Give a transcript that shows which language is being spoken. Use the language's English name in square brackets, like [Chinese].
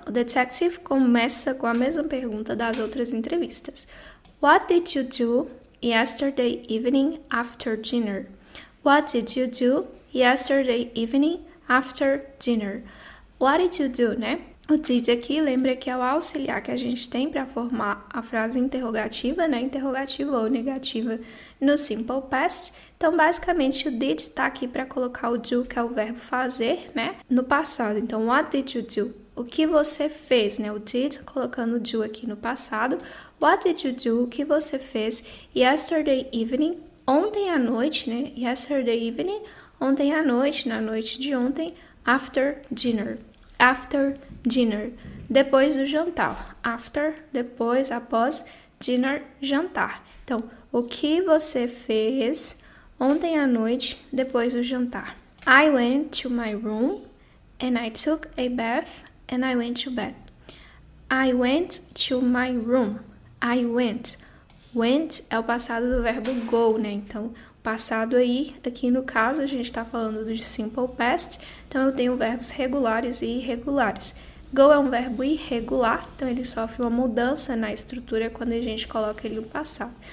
[Portuguese] O detective começa com a mesma pergunta das outras entrevistas. [English] What did you do yesterday evening after dinner? What did you do yesterday evening after dinner? What did you do, né? [Portuguese] O did aqui lembra que é o auxiliar que a gente tem para formar a frase interrogativa, né? Interrogativa ou negativa no simple past. Então, basicamente, o did está aqui para colocar o do, que é o verbo fazer, né? No passado. Então, [English] what did you do? [Portuguese] O que você fez, né? O did colocando o do aqui no passado. [English] What did you do? [Portuguese] O que você fez [English] yesterday evening? [Portuguese] Ontem à noite, né? [English] Yesterday evening. [Portuguese] Ontem à noite, na noite de ontem. [English] After dinner. After dinner, [Portuguese] depois do jantar. After, depois, após, dinner, jantar. Então, o que você fez ontem à noite, depois do jantar? [English] I went to my room and I took a bath and I went to bed. I went to my room. I went. [Portuguese] Went é o passado do verbo go, né? Então, passado aí, aqui no caso, a gente está falando de simple past, então eu tenho verbos regulares e irregulares. Go é um verbo irregular, então ele sofre uma mudança na estrutura quando a gente coloca ele no passado.